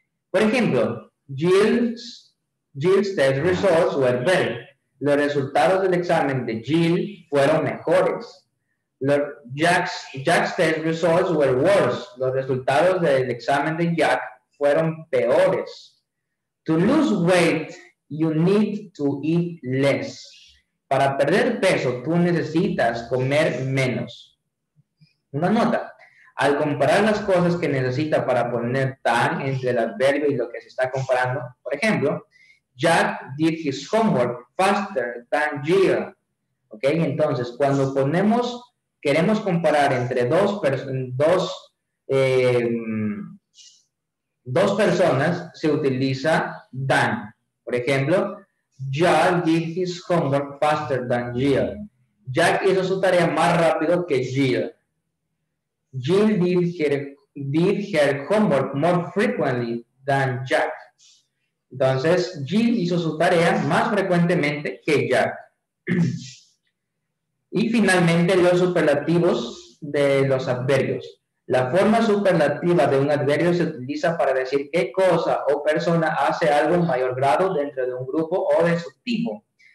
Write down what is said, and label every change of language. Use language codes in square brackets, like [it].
[es] Por ejemplo, [en] Jill's test results were better. [es] Los resultados del examen de Jill fueron mejores. [en] Jack's test results were worse. [es] Los resultados del examen de Jack fueron peores. [en] To lose weight, you need to eat less. [es] Para perder peso, tú necesitas comer menos. Una nota. Al comparar las cosas que necesita para poner tan entre el adverbio y lo que se está comparando, por ejemplo, [en] Jack did his homework faster than Jill. [es] ¿Ok? Entonces, cuando ponemos, queremos comparar entre dos personas, se utiliza than. Por ejemplo, [en] Jack did his homework faster than Jill. [es] Jack hizo su tarea más rápido que Jill. [en] Jill did her homework more frequently than Jack. [es] Entonces, Jill hizo su tarea más frecuentemente que Jack. Y finalmente, los superlativos de los adverbios. La forma superlativa de un adverbio se utiliza para decir qué cosa o persona hace algo en mayor grado dentro de un grupo o de su tipo.